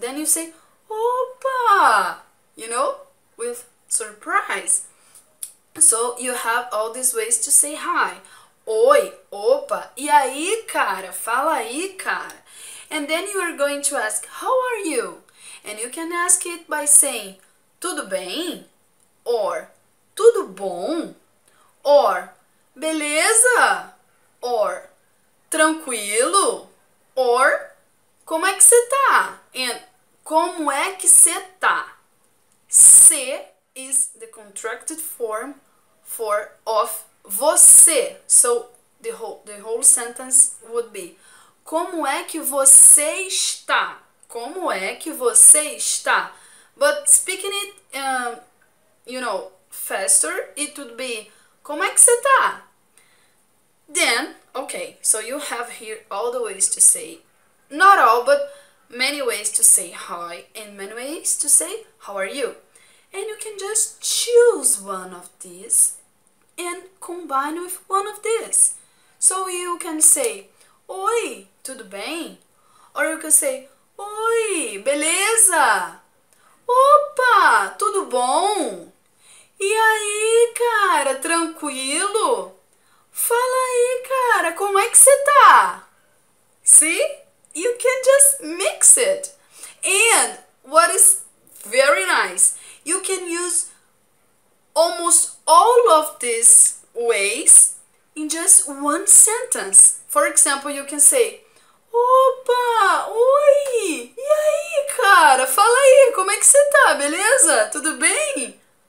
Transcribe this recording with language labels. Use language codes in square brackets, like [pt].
[en] Then you say, opa, you know, with surprise. So you have all these ways to say hi. [pt] Oi, opa, e aí, cara? Fala aí, cara. [en] And then you are going to ask, how are you? And you can ask it by saying, [pt] tudo bem? Or tudo bom, or beleza, or tranquilo, or como é que você tá? [en] And [pt] como é que você tá? [en] Se is the contracted form for of você. So the whole sentence would be [pt] como é que você está? Como é que você está? [en] But speaking it you know, faster, it would be [pt] como é que você tá? [en] Then, okay, so you have here all the ways to say, not all, but many ways to say hi and many ways to say how are you. And you can just choose one of these and combine with one of these. So you can say [pt] oi, tudo bem? [en] Or you can say [pt] oi, beleza? Opa, tudo bom? E aí, cara, tranquilo? Fala aí, cara, como é que você tá? [en] See? You can just mix it. And what is very nice, you can use almost all of these ways in just one sentence. For example, you can say, [pt] opa, oi, e aí, cara, fala aí, como é que você tá, beleza? Tudo bem?